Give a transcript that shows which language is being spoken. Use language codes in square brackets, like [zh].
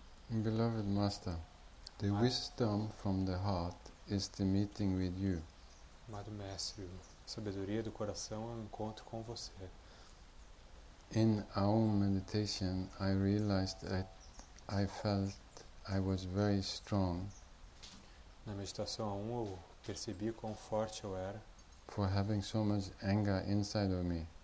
[en] Beloved Master, the wisdom from the heart is the meeting with you. [pt] Amado Mestre, a sabedoria do coração é o encontro com você. [en] In our meditation, I realized that I felt I was very strong. [pt] Na meditação a eu percebi quão forte eu era. [en] For having so much anger inside of me.